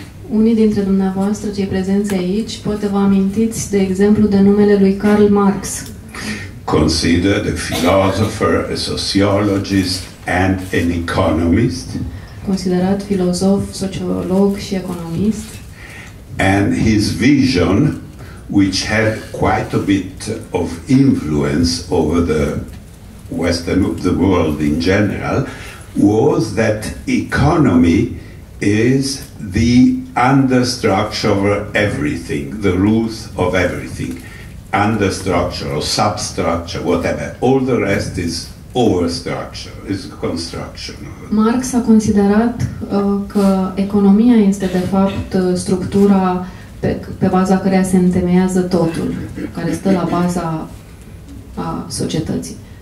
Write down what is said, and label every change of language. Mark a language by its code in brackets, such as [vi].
[ro] Unii dintre dumneavoastră cei prezenți aici poate vă amintiți de exemplu de numele lui Karl Marx. [en] Considered a philosopher, a sociologist and an economist. [ro] considerat filozof, sociolog și economist. [en] And his vision, which had quite a bit of influence over the Western of the world in general, was that economy is the understructure of everything, the root of everything. Understructure or substructure, whatever. All the rest is overstructure, is construction. [ro] Marx a considerat că economia este de fapt structura pe baza căreia se întemeiază totul, care stă la baza a societății.